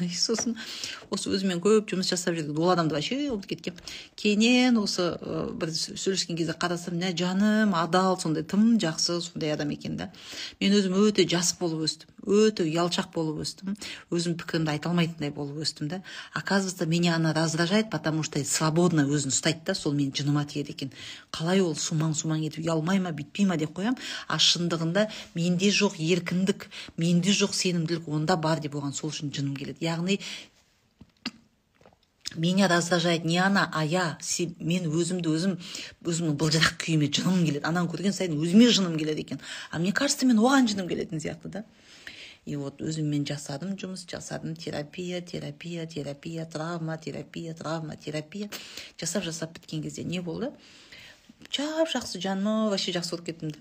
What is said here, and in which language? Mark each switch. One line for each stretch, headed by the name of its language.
Kazakh: Сосын осы өзімен көп жұмыс жасап жүрген ол адамды вообще ұмытып кеткен. Кейіннен осы бір сөйлескен кезде қарасам, мә жаным адал, сондай тым жақсы сондай адам екен да. Мен өзім өте жас болып өстім, өте ұялшақ болып өстім, өзім пікірімді айта алмайтындай болып өстім да.
Russian: Оказывается, меня она раздражает, потому что свободно
Kazakh: өзін ұстайды да, сол мен жыныма тиеді екен. Қалай ол сумаң сумаң етіп ұялмай ма бүйтпей ма деп қоямын, а шындығында менде жоқ еркіндік, менде жоқ сенімділік онда бар деп оған сол үшін жыным келеді.
Russian: Яғни меня раздражает не она, а я.
Kazakh: Мен өзімді өзім, өзімнің былжырақ күйіме жыным келеді. Ананы көрген сайын өзіме жыным келеді екен.
Russian: А мне кажется,
Kazakh: мен оған жыным келетін сияқты да. И вот өзіммен жасадым жұмыс, жасадым терапия, терапия, терапия, травма, терапия, травма, терапия. Жасап-жасап біткен кезде не болды? Жап жақсы жаным, вообще жақсы болып кеттім.